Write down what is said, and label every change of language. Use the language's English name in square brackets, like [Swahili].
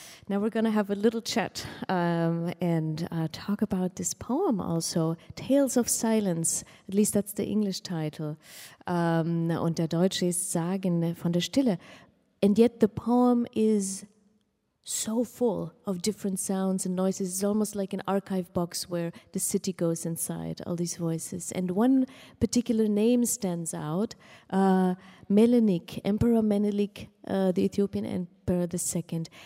[English] Now we're going to have a little chat talk about this poem also, Tales of Silence. At least that's the English title. [German] Und der Deutsche ist Sagen von der Stille. [English] And yet the poem is so full of different sounds and noises. It's almost like an archive box where the city goes inside, all these voices. And one particular name stands out, Menelik, Emperor Menelik, the Ethiopian Emperor II.